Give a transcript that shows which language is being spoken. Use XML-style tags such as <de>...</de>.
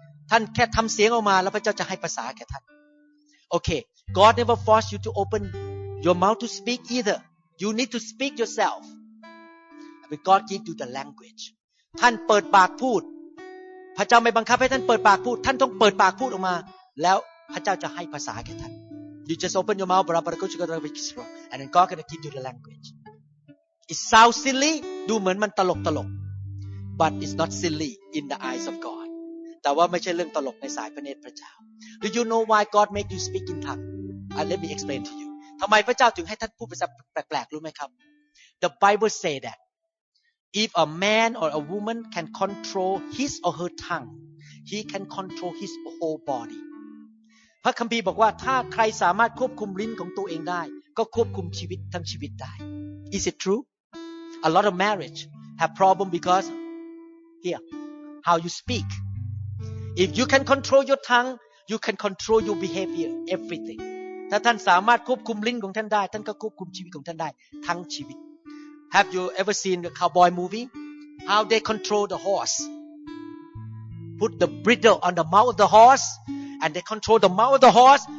<th>ท่านแค่ทำเสียงออกมาแล้วพระเจ้าจะให้ภาษาแก่ท่านโอเค</th> <en>God never force you to open your mouth to speak either you need to speak yourself but God give you the language</en> <th>ท่านเปิดปากพูดพระเจ้าไม่บังคับให้ท่านเปิดปากพูดท่านต้องเปิดปากพูดออกมาแล้วพระเจ้าจะให้ภาษาแก่ท่าน</th> <en>You just open your mouth, and then God's going to give you the language. It sounds silly,</en> <th>ดูเหมือนมันตลกตลก</th> <en>but it's not silly in the eyes of God.</en> <th>แต่ว่าไม่ใช่เรื่องตลกในสายพระเนตรพระเจ้า</th> <en>Do you know why God make you speak in tongues? Let me explain to you.</en> <th>ทำไมพระเจ้าถึงให้ท่านพูดภาษาแปลกๆรู้ไหมครับ</th> <en>The Bible say that if a man or a woman can control his or her tongue, he can control his whole body.</en> <th>พระคัมภีร์บอกว่าถ้าใครสามารถควบคุมลิ้นของตัวเองได้ก็ควบคุมชีวิตทั้งชีวิตได้</th> <en>Is it true? A lot of marriage have problem because here how you speak. If you can control your tongue, you can control your behavior, everything.</en> <th>ถ้าท่านสามารถควบคุมลิ้นของท่านได้ท่านก็ควบคุมชีวิตของท่านได้ทั้งชีวิต</th> <en>Have you ever seen the cowboy movie? How they control the horse? Put the bridle on the mouth of the horse. And they control the mouth of the horse.</en>